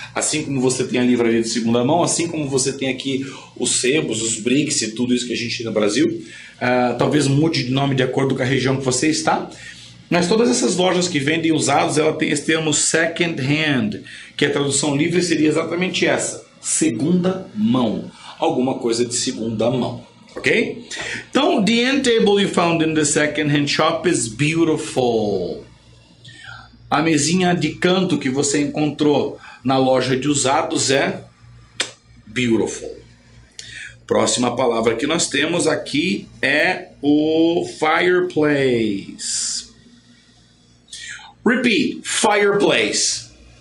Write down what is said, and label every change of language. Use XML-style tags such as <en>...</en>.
<pt>Assim como você tem a livraria de segunda mão, assim como você tem aqui os sebos, os bricks e tudo isso que a gente tem no Brasil. Talvez mude de nome de acordo com a região que você está. Mas todas essas lojas que vendem usados, ela tem esse termo second hand, que a tradução livre seria exatamente essa. Segunda mão. Alguma coisa de segunda mão. Ok?</pt> <en>Então, the end table you found in the second hand shop is beautiful.</en> <pt>A mesinha de canto que você encontrou na loja de usados é beautiful. Próxima palavra que nós temos aqui é o fireplace.</pt> <en>Repeat, fireplace.</en>